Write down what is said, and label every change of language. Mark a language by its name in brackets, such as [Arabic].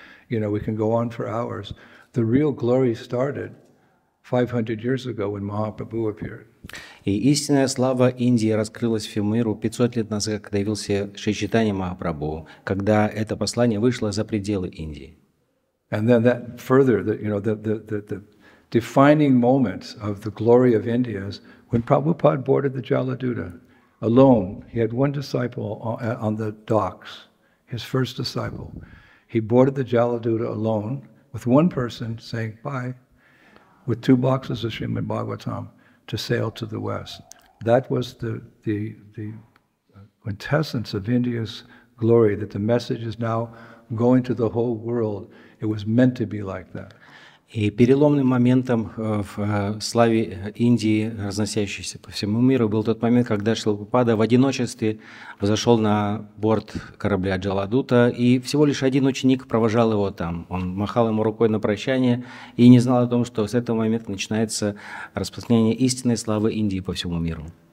[English] You know, we can go on for hours. The real glory started 500 years ago when Mahaprabhu appeared. [Russian] И истинная слава Индии раскрылась всему миру 500 лет назад, когда явился Шри Чайтанья Махапрабху, когда это послание вышло за пределы Индии. [English] And then that further, that, you know, the defining moment of the glory of India is when Prabhupada boarded the Jaladuta alone. He had one disciple on the docks, his first disciple. He boarded the Jaladuta alone with one person saying bye, with two boxes of Srimad Bhagavatam to sail to the west. That was the quintessence of India's glory, that the message is now going to the whole world. It was meant to be like that. [Russian] И переломным моментом в славе Индии, разносящейся по всему миру, был тот момент, когда Шрила Прабхупада в одиночестве взошел на борт корабля Джаладута, и всего лишь один ученик провожал его там. Он махал ему рукой на прощание и не знал о том, что с этого момента начинается распространение истинной славы Индии по всему миру.